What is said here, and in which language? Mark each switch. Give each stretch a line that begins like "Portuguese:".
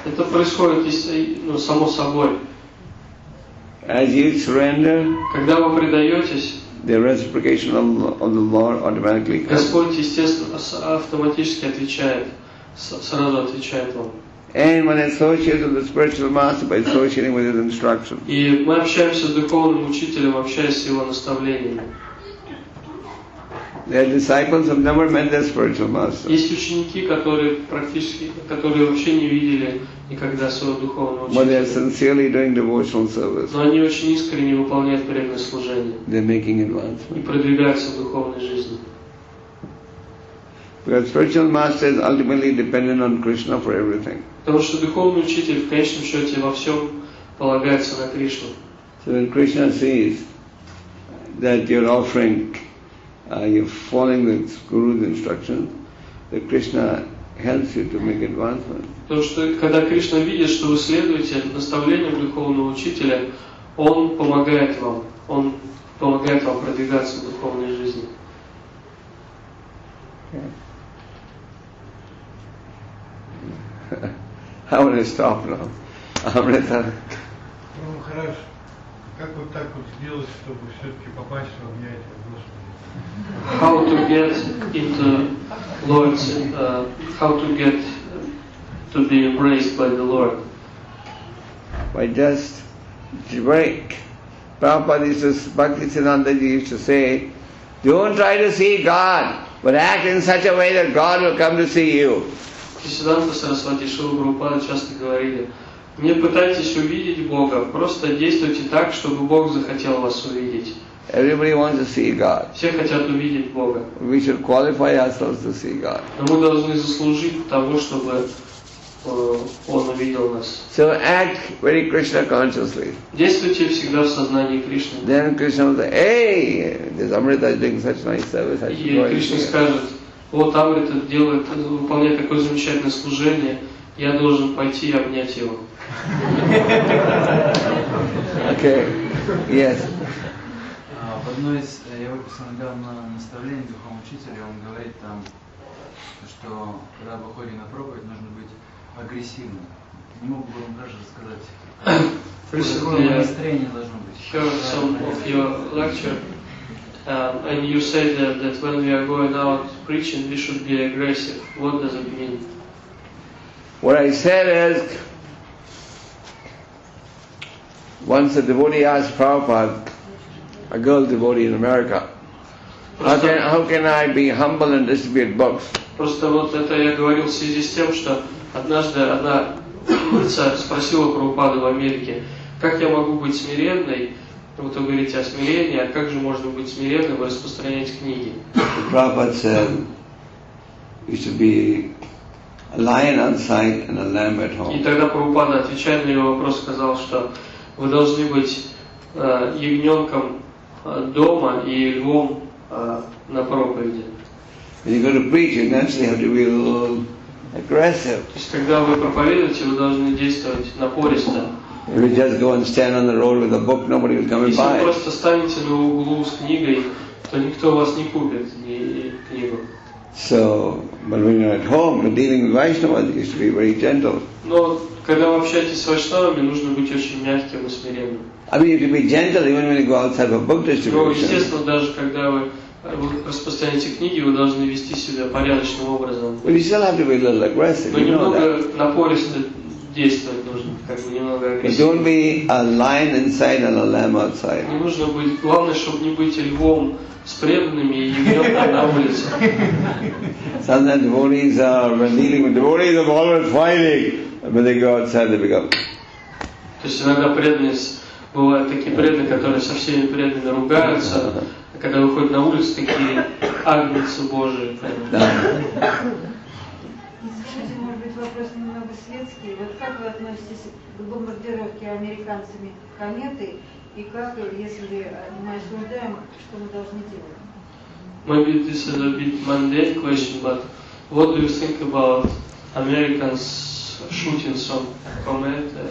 Russian: Это происходит, ну, само собой.
English: As you surrender,
Russian: когда вы предаетесь,
English: the reciprocation of the Lord automatically comes.
Russian: Господь естественно автоматически отвечает, сразу отвечает вам.
English: And when associated with the spiritual master by associating with his instruction.
Russian: И мы общаемся с духовным учителем, общаясь с его наставлениями.
English: Their disciples have never met their spiritual master.
Russian: Есть ученики, которые практически, которые вообще не видели никогда своего духовного учителя.
English: But they are sincerely doing devotional service.
Russian: Но они очень искренне выполняют преданное служение.
English: They're making advancement.
Russian: И продвигаются в духовной жизни.
English: Because spiritual master is ultimately dependent on Krishna for everything. Потому что духовный учитель в конечном счете во всем полагается на Кришну. So when Krishna sees that you're offering, you're following the Guru's instruction, that Krishna helps you to make advancement.
Russian: То, что когда Кришна видит, что вы следуете наставлениям духовного учителя, он помогает вам. Он помогает вам продвигаться в духовной жизни.
English: How will I stop now? Амрита.
Russian: Ну хорошо. Как вот так вот сделать, чтобы все-таки попасть в объятия Господа?
English: How to get into Lord's? How to get to be embraced by the Lord? By just break. Prabhupada says, Bhakti Siddhanta used to say, "Don't try to see God, but act in such a way that God will come to see you."
Russian: Сиддханта Сарасвати Шрила Прабхупада часто говорили: не пытайтесь увидеть Бога, просто действуйте так, чтобы Бог захотел вас увидеть.
English: Everybody wants to see God.
Russian: Все хотят увидеть Бога.
English: We should qualify ourselves to see God.
Russian: Но мы должны заслужить того, чтобы Он увидел нас.
English: So act very Krishna consciously.
Russian: Действуйте всегда в сознании Кришны.
English: Then Krishna will say, "Hey, this Amrita is doing such nice service."
Russian: И Кришна скажет: вот Амрита делает, выполняет такое замечательное служение, я должен пойти и обнять его. Окей. Yes. В одной из его писанагарных наставлений духовного учителя он говорит там, что когда выходит на проповедь, нужно быть агрессивным. Не мог бы он даже сказать, какое настроение должно быть?
English: Heard some of your lecture. And you said that when we are going out preaching, we should be aggressive. What does it mean? What I said is, once a devotee asked Prabhupada, a girl devotee in America, how can I be humble and distribute books?
Russian: Просто вот это я говорил в связи с тем, что однажды одна девица спросила Прабхупаду в Америке, как я могу быть смиренной. Вот вы говорите о смирении, а как же можно быть смиренным и распространять книги?
English: Prabhupada said, you should be a lion outside and a lamb at home.
Russian: И тогда Прабхупада, отвечая на его вопрос, сказал, что вы должны быть ягненком дома и львом на проповеди.
English: When you go to preach, you naturally have to be a little aggressive.
Russian: То есть когда вы проповедуете, вы должны действовать напористо.
English: If you just go and stand on the road with a book, nobody will come and buy it.
Russian: Если вы просто станете на углу с книгой, то никто вас не купит ни книгу.
English: So, but when you're at home, you're dealing with Vaishnavas, you should be very gentle.
Russian: Но когда вы общаетесь с Вайшнавами, нужно быть очень мягким и смиренным.
English: I mean, you can be gentle even when you go outside for book distribution.
Russian: Ну, естественно, даже когда вы распространяете книги, вы должны вести себя порядочным образом. But you still have to be a little aggressive. Но немного напористо действовать нужно, как бы немного агрессивно.
English: Don't be a lion inside and a lamb outside.
Russian: Не нужно быть, главное, чтобы не быть львом с преданными и ягнёнком на улице.
English: Sometimes devotees are, when dealing with devotees, are always fighting. When they go outside, they become...
Russian: То есть иногда преданные, бывают такие преданные, которые со всеми преданными ругаются, а когда выходят на улицу, такие агнцы Божии. Да. Вопрос немного светский. Вот как вы относитесь к бомбардировке американцами кометы и как, если мы осуждаем, что мы должны делать?
English: Maybe this is a bit mundane question, but what do you think about Americans shooting some comet?